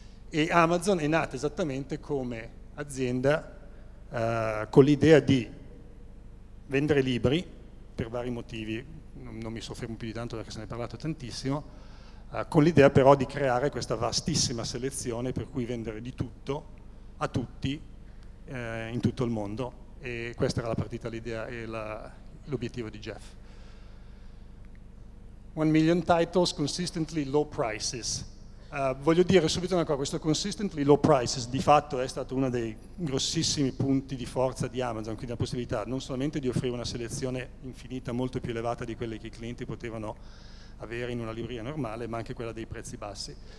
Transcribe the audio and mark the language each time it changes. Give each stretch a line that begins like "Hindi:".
Italian: E Amazon è nata esattamente come azienda con l'idea di vendere libri per vari motivi, non mi soffermo più di tanto perché se ne è parlato tantissimo, con l'idea però di creare questa vastissima selezione per cui vendere di tutto a tutti in tutto il mondo. E questa era la partita, l'idea e l'obiettivo di Jeff.
English: 1 million titles, consistently low prices.
Italian: Voglio dire subito una cosa, questo
English: consistently low prices
Italian: di fatto è stato uno dei grossissimi punti di forza di Amazon, quindi la possibilità non solamente di offrire una selezione infinita molto più elevata di quelle che i clienti potevano avere in una libreria normale, ma anche quella dei prezzi bassi.